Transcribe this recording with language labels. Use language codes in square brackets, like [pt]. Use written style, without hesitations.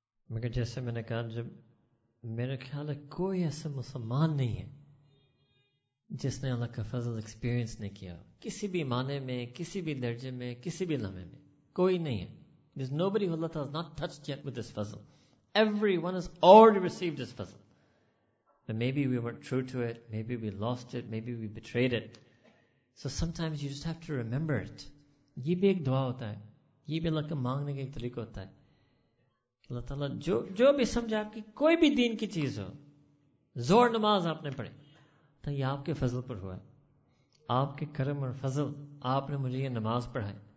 [ur] مگر جیسے میں نے کہا, جب میرے خیال ہے کوئی ایسا مسلمان نہیں ہے جس نے اللہ کا فضل ایکسپیرئنس نہیں کیا, کسی بھی معنی میں, کسی بھی درجے میں, کسی بھی لمحے میں, کوئی نہیں ہے. [en] There's nobody who Allah has not touched yet with this fazl. Everyone has already received this fazl. But maybe we weren't true to it, maybe we lost it, maybe we betrayed it. So sometimes you just have to remember it. [ur] یہ بھی ایک دعا ہوتا ہے, یہ بھی اللہ کا مانگنے کا ایک طریقہ ہوتا ہے. اللہ تعالیٰ جو بھی سمجھا آپ کی کوئی بھی دین کی چیز ہو, زور نماز آپ نے پڑھی تو یہ آپ کے فضل پر ہوا ہے, آپ کے کرم اور فضل, آپ نے مجھے یہ نماز پڑھائی.